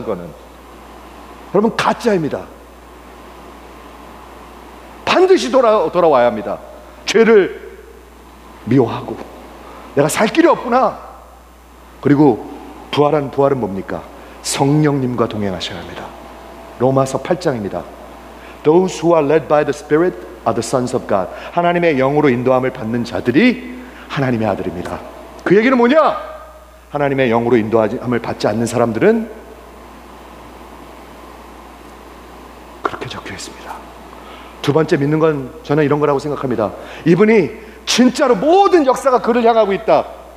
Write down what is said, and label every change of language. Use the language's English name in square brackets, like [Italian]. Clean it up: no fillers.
[Korean] 그거는 여러분 가짜입니다. 반드시 돌아와야 합니다. 죄를 미워하고 내가 살 길이 없구나. 그리고 부활한 부활은 뭡니까? 성령님과 동행하셔야 합니다. 로마서 8장입니다. [English] Those who are led by the Spirit are the sons of God. [Korean] 하나님의 영으로 인도함을 받는 자들이 하나님의 아들입니다. 그 얘기는 뭐냐? 하나님의 영으로 인도함을 받지 않는 사람들은 그렇게 적혀 있습니다. 두 번째 믿는 건 저는 이런 거라고 생각합니다. 이분이 진짜로 모든 역사가 그를 향하고 있다.